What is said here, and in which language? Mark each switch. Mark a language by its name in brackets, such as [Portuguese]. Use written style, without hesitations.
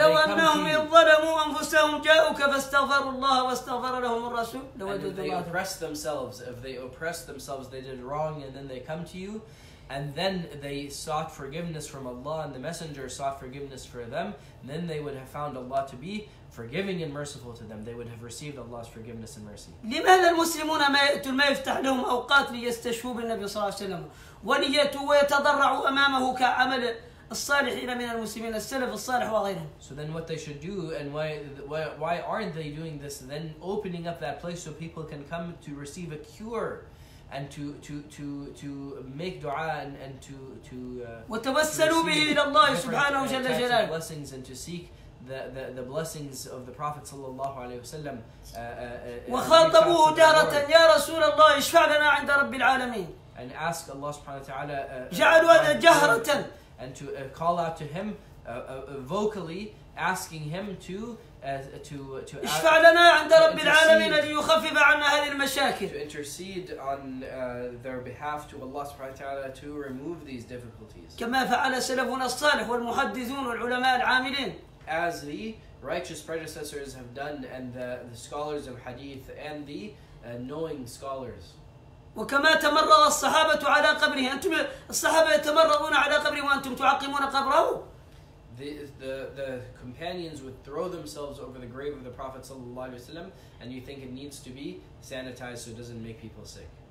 [Arabic] ولو أنهم ظلموا أنفسهم جاءوك فاستغفروا الله واستغفر لهم الرسول لوجدوا الله. [English] And if they oppress themselves, if they oppress themselves, they did wrong and then they come to you and then they sought forgiveness from Allah and the Messenger sought forgiveness for them, then they would have found Allah to be forgiving and merciful to them. They would have received Allah's forgiveness and mercy. [Arabic] لماذا المسلمون ما يأتون ما يفتح لهم أوقات ليستشفوا بالنبي صلى الله عليه وسلم ونيتوا ويتضرعوا أمامه كعمل الصالحين من المسلمين السلف الصالح وغيرهم. [English] So then what they should do and why aren't they doing this then opening up that place so people can come to receive a cure and to make dua [Arabic] وتوسلوا به إلى الله سبحانه وجل جلاله [English] blessings and to seek the blessings of the Prophet sallallahu alaihi wasallam [Arabic] وخاطبوه جارة يا رسول الله اشفع لنا عند رب العالمين [English] and ask Allah سبحانه وتعالى [Arabic] جعلوا هذا جهرة [English] and to call out to him vocally asking him to [Arabic] اشفع لنا عند رب العالمين ليخفف عنا هذه المشاكل. [English] To intercede on their behalf to Allah سبحانه وتعالى to remove these difficulties. [Arabic] كما فعل سلفنا الصالح والمحدثون والعلماء العاملين. [English] As the righteous predecessors have done and the scholars of hadith and the knowing scholars. [Arabic] وكما تمرغ الصحابة على قبره أنتم الصحابة يتمرغون على قبره وأنتم تعقمون قبره. [English] The companions would throw themselves over the grave of the Prophet sallallahu alaihi wasallam, and you think it needs to be sanitized so it doesn't make people sick.